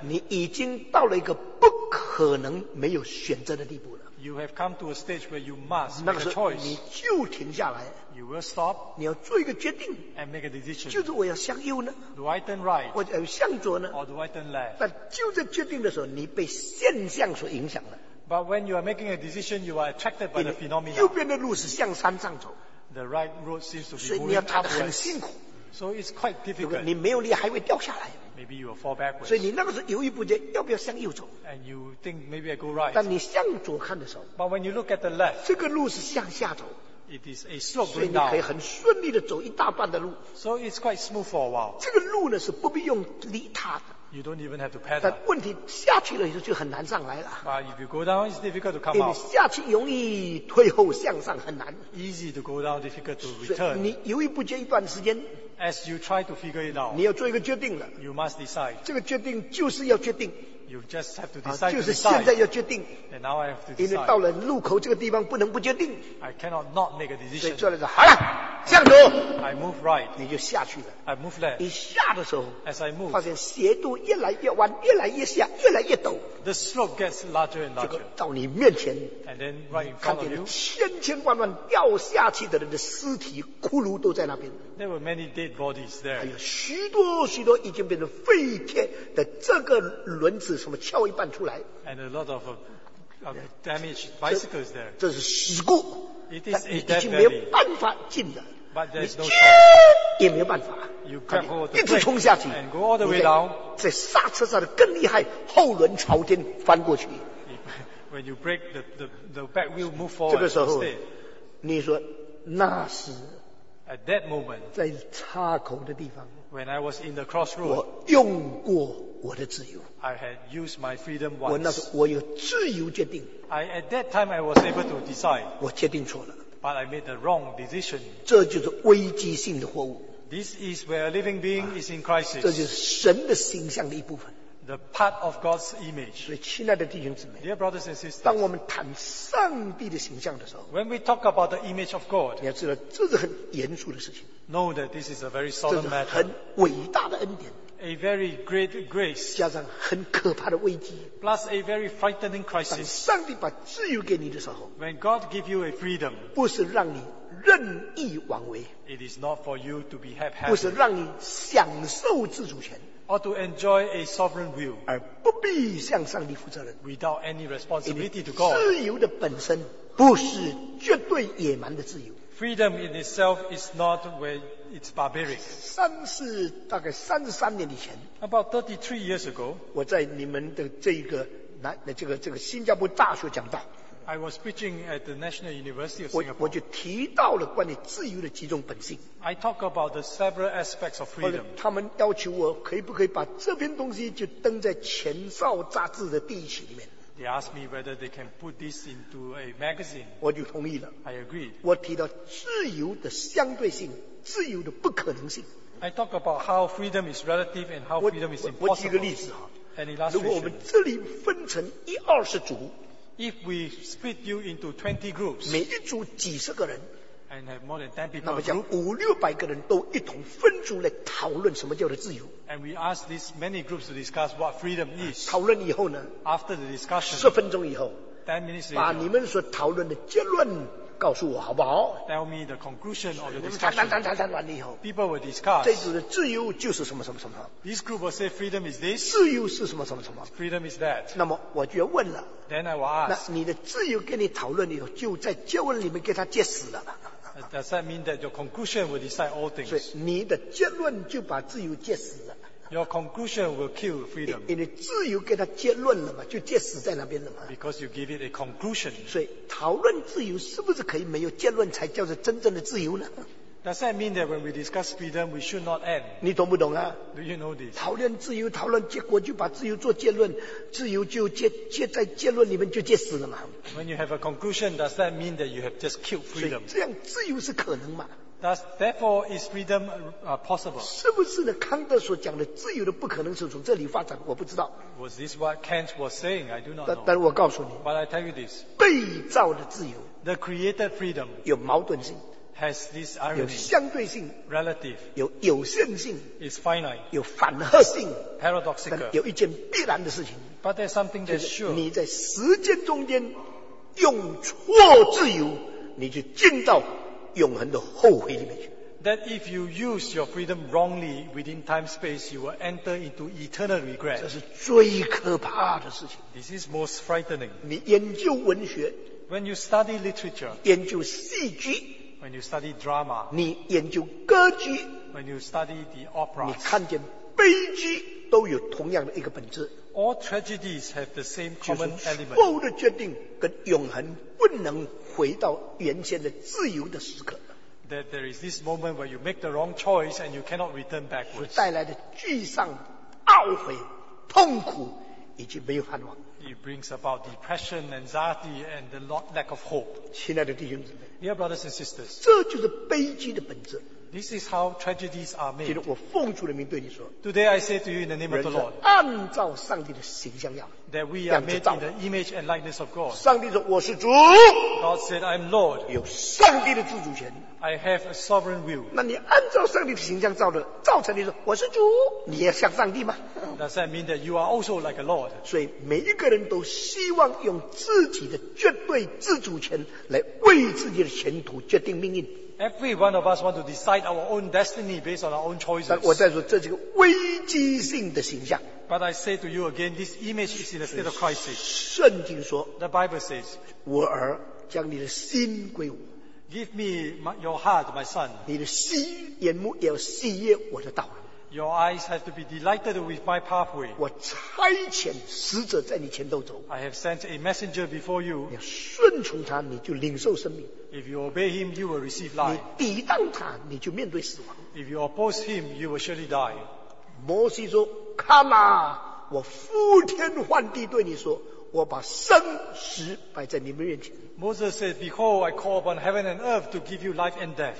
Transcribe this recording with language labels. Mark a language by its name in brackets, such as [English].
[Chinese] 你已经到了一个不可能没有选择的地步了。 [English] You have come to a stage where you must make a choice. [Chinese] 你就停下来。 [English] You will stop. [Chinese] 你要做一个决定。 [English] And make a decision. [Chinese] 就是我要向右呢 [English] ？Do I turn right? [Chinese] 或者向左呢 [English] ？Or do I turn left? [Chinese] 那就在决定的时候，你被现象所影响了。 [English] But when you are making a decision, you are attracted by the phenomenon. [Chinese] 右边的路是向山上走。 [English] The right road seems to be moving upwards. [Chinese] 所以你要踏得很辛苦。 [English] So it's quite difficult. [Chinese] 你没有力还会掉下来。 [English] Maybe you will fall backwards. [Chinese] 所以你那个时候犹豫不决，要不要向右走 [English] ？And you think maybe I go right. [Chinese] 但你向左看的时候 [English] ，But when you look at the left, [Chinese] 这个路是向下走。 [English] It is a slope going down. [Chinese] 所以你可以很顺利的走一大半的路。 [English] So it's quite smooth for a while. [Chinese] 这个路呢是不必用力踏的。 [English] You don't even have to paddle. [Chinese] 但问题下去了以后就很难上来了。 [English] But if you go down, it's difficult to come out. [Chinese] 因为下去容易，退后向上很难。 [English] Easy to go down, difficult to return. [Chinese] 你犹豫不决一段时间。 [English] As you try to figure it out, [Chinese] 你要做一个决定了。 [English] You must decide. [Chinese] 这个决定就是要决定。 [English] You just have to decide. [Chinese] 就是现在要决定。 [English] And now I have to decide. [Chinese] 因为到了路口这个地方不能不决定。 [English] I cannot not make a decision. [Chinese] 所以做了一个好了。向左 [English] I move right. [Chinese] 你就下去了 [English] I move left. [Chinese] 一下的时候 [English] As I move, [Chinese] 发现斜度越来越弯越来越下越来越陡 [English] The slope gets larger and larger. [Chinese] 到你面前 [English] And then right in front of you, [Chinese] 看见千千万万掉下去的人的尸体骷髅都在那边 [English] There were many dead bodies there. [Chinese] 还有许多许多已经变成废铁的这个轮子什么翘一半出来 [English] And a lot of damaged bicycles there. [Chinese] 这是事故 [English] It is a dead body. [Chinese] 已经没有办法进了 [English] But there's no choice. [Chinese] 也没有办法。 [English] You grab hold of the brake, [Chinese] 一直冲下去。 [English] And go all the way down. [Chinese] 在刹车上的更厉害，后轮朝天翻过去。 [English] When you brake, the back wheel move forward. [Chinese] 这个时候，你说那是 [English] at that moment, [Chinese] 在岔口的地方。 [English] When I was in the crossroad, [Chinese] 我用过我的自由。 [English] I had used my freedom once. [Chinese] 我那时候我有自由决定。 [English] I at that time I was able to decide. [Chinese] 我决定错了。 [English] But I made the wrong decision. [Chinese] 这就是危机性的货物。 [English] This is where a living being is in crisis. [Chinese] 这就是神的形象的一部分。 [English] The part of God's image. [Chinese] 所以，亲爱的弟兄姊妹 [English] ，Dear brothers and sisters, [Chinese] 当我们谈上帝的形象的时候 [English] ，When we talk about the image of God, [Chinese] 你要知道这是很严肃的事情。 [English] Know that this is a very solemn matter. [Chinese] 这是很伟大的恩典。 [English] A very great grace. [Chinese] 加上很可怕的危机。 [English] Plus a very frightening crisis. [Chinese] 当上帝把自由给你的时候 [English] ，When God give you a freedom, [Chinese] 不是让你任意妄为。 [English] It is not for you to be haphazard. [Chinese] 不是让你享受自主权。 [English] Or to enjoy a sovereign will, [Chinese] 而不必向上帝负责任。 [English] Without any responsibility to God. [Chinese] 自由的本身不是绝对野蛮的自由。 [English] Freedom in itself is not where it's barbaric. [Chinese] 大概33年以前 [English] About 33 years ago, [Chinese] 我在你们的这个新加坡大学讲道。 [English] I was preaching at the National University of Singapore. [Chinese] 我就提到了关于自由的几种本性。 [English] I talk about the several aspects of freedom. [Chinese] 他们要求我可以不可以把这篇东西就登在《前哨》杂志的第一期里面。 [English] They asked me whether they can put this into a magazine. [Chinese] 我就同意了。 [English] I agreed. [Chinese] 我提到自由的相对性，自由的不可能性。 [English] I talk about how freedom is relative and how freedom is impossible. [Chinese] 我举个例子 [English] 哈。Any last question? [Chinese] 如果我们这里分成一二十组。 [English] If we split you into 20 groups, [Chinese] 每一组几十个人 [English] and have more than 10 people, [Chinese] 那么将五六百个人都一同分组来讨论什么叫做自由 [English] and we ask these many groups to discuss what freedom is. [Chinese] 讨论以后呢 [English] after the discussion, [Chinese] 十分钟以后 [English] 10 minutes later, [Chinese] 把你们所讨论的结论告诉我好不好 [English] tell me the conclusion of the discussion. [Chinese] 谈完以后 [English] people will discuss. [Chinese] 这组的自由就是什么什么什么 [English] this group will say freedom is this. [Chinese] 自由是什么什么什么 [English] freedom is that. [Chinese] 那么我就要问了 [English] Then I will ask, [Chinese] 那你的自由跟你讨论以后，就在结论里面给他结死了。 [English] Does that mean that your conclusion will decide all things? [Chinese] 所以你的结论就把自由结死了。 [English] Your conclusion will kill freedom. [Chinese] 因为自由给他结论了嘛，就结死在那边了嘛。 [English] Because you give it a conclusion. [Chinese] 所以讨论自由是不是可以没有结论才叫做真正的自由呢？ [English] Does that mean that when we discuss freedom, we should not end? [Chinese] 你懂不懂啊？ [English] Do you know this? [Chinese] 讨论自由，讨论结果，就把自由做结论，自由就结在结论里面就结死了嘛。 [English] When you have a conclusion, does that mean that you have just killed freedom? [Chinese] 这样自由是可能嘛？ [English] Does, therefore, is freedom possible? [Chinese] 是不是呢？康德所讲的自由的不可能是从这里发展，我不知道。 [English] Was this what Kant was saying? I do not know. [Chinese] 但我告诉你。 [English] But I tell you this. [Chinese] 被造的自由。 [English] The created freedom. [Chinese] 有矛盾性。 [English] Has this irony. [Chinese] 有相对性。 [English] Relative. [Chinese] 有限性。 [English] Is finite. [Chinese] 有反合性。 [English] Paradoxical. [Chinese] 但有一件必然的事情。 [English] But there's something that's sure. [Chinese] 就是你在时间中间用错自由，你就进到永恒的后悔里面去。 [English] That if you use your freedom wrongly within time space, you will enter into eternal regret. [Chinese] 这是最可怕的事情。 [English] This is most frightening. [Chinese] 你研究文学。 [English] When you study literature. [Chinese] 研究戏剧。 [English] When you study drama. [Chinese] 你研究歌剧。 [English] When you study the opera. [Chinese] 你看见悲剧都有同样的一个本质。 [English] All tragedies have the same common element. [Chinese] 就是错误的决定跟永恒不能回到原先的自由的时刻。 [English] That there is this moment where you make the wrong choice and you cannot return backwards. [Chinese] 所带来的沮丧、懊悔、痛苦以及没有盼望。 [English] It brings about depression, anxiety, and the lack of hope. [Chinese] 亲爱的弟兄姊妹。 [English] Dear brothers and sisters. [Chinese] 这就是悲剧的本质。 [English] This is how tragedies are made. [Chinese] 今天我奉主的名对你说。 [English] Today I say to you in the name of the Lord. [Chinese] 按照上帝的形象要。 [English] That we are made in the image and likeness of God. [Chinese] 上帝说我是主。 [English] God said I'm Lord. [Chinese] 有上帝的自主权。 [English] I have a sovereign will. [Chinese] 那你按照上帝的形象造的，造成你说我是主，你也像上帝吗？ [English] Does that mean that you are also like a Lord? [Chinese] 所以每一个人都希望用自己的绝对自主权来为自己的前途决定命运。 [English] Every one of us want to decide our own destiny based on our own choices. [Chinese] 但我在说这是个危机性的形象。 [English] But I say to you again, this image is in a state of crisis. [Chinese] 圣经说 [English] ，The Bible says, [Chinese] 我儿，将你的心归我。 [English] Give me your heart, my son. [Chinese] 你的心眼目要喜悦我的道路。 [English] Your eyes have to be delighted with my pathway. [Chinese] 我差遣使者在你前头走。 [English] I have sent a messenger before you. [Chinese] 你要顺从他，你就领受生命。 [English] If you obey him, you will receive life. [Chinese] 你抵挡他，你就面对死亡。 [English] If you oppose him, you will surely die. [Chinese] 摩西说 ：“Come 啊，我呼天唤地对你说，我把生死摆在你们面前。” [English] Moses said, Behold, I call upon heaven and earth to give you life and death.